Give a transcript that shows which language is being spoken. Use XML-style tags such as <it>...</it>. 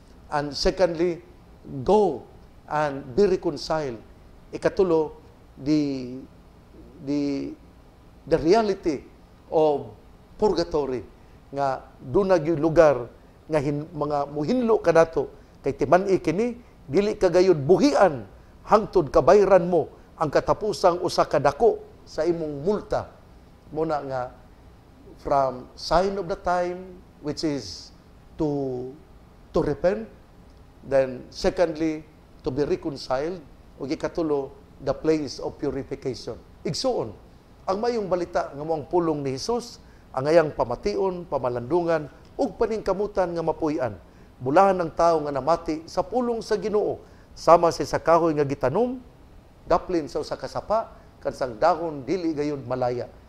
<en>And secondly, go and be reconciled.</en> <ceb>Ikatulo,</ceb> <en>the reality of purgatory,</en> <ceb>nga dunay lugar nga mga muhinlo ka nato, kay timan-i kini, dili kagayod buhian hangtod kabayran mo ang katapusang usa ka dako sa imong multa. Muna nga,</ceb> <en>from sign of the time, which is to repent, then secondly, to be reconciled,</en> <ceb>o ikatulo,</ceb> <en>the place of purification.</en> <ceb>Igsoon, ang mayong balita nga mo ang pulong ni Jesus, ang ayang pamation, pamalandungan, ug paningkamutan nga mapuy-an. Bulahan ang tao nga namati sa pulong sa Ginoo, sama si sa kahoy nga gitanom, daplin sa usa ka sapa, kansang dahon dili gayud malaya.</ceb>